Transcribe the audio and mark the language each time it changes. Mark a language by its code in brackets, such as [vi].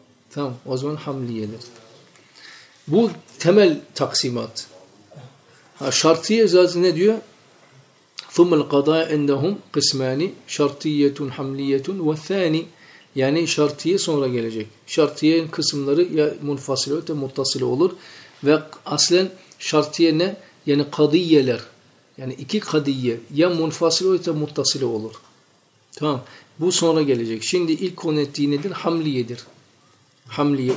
[tr] Tamam o zaman hamliyedir. Bu temel taksimat. Ha, şartiye zaten ne diyor? [ar] ثُمَّ الْقَضَاءَ اَنْدَهُمْ قِسْمَانِ شَرْطِيَّةٌ حَمْلِيَّةٌ وَثَانِ [tr] Yani şartiye sonra gelecek. Şartiyenin kısımları ya münfasile ya muttasile olur. Ve aslen şartiye ne? Yani kadiyeler. Yani iki kadiye. Ya münfasile ya muttasile olur. Tamam. Bu sonra gelecek. Şimdi ilk konu ettiği nedir? Hamliyedir. Hamliye.